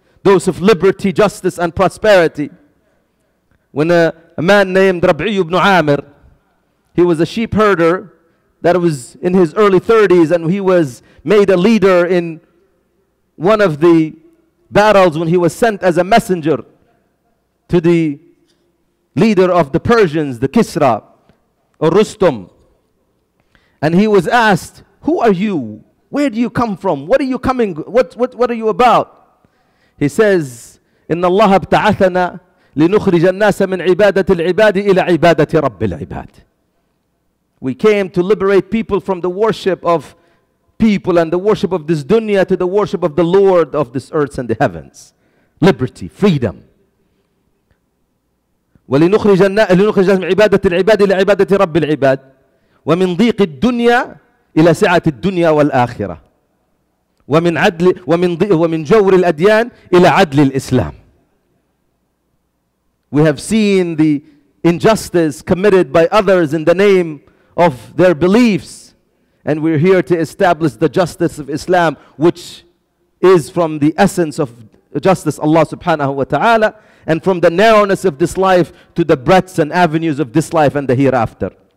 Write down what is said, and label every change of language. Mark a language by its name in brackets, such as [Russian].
[English] Those of liberty, justice, and prosperity. When a man named Rabi'i ibn Amir, he was a sheep herder that was in his early 30s, and he was made a leader in one of the battles when he was sent as a messenger to the leader of the Persians, the Kisra, or Rustum. And he was asked, who are you? Where do you come from? What are you coming? What are you about? He says, [Arabic] إن الله ابتعثنا لنخرج الناس من عبادة العباد إلى عبادة رب العباد. [English] We came to liberate people from the worship of people and the worship of this dunya to the worship of the Lord of this earth and the heavens. Liberty, freedom. [Arabic] ولنخرج من عبادة العباد إلى عبادة رب العباد ومن ضيق الدنيا إلى سعة الدنيا والآخرة ومن عدل ومن جور الأديان إلى عدل الإسلام. [English] We have seen the injustice committed by others in the name of their beliefs, and we're here to establish the justice of Islam, which is from the essence of justice, Allah subhanahu wa ta'ala, and from the narrowness of this life to the breadths and avenues of this life and the hereafter.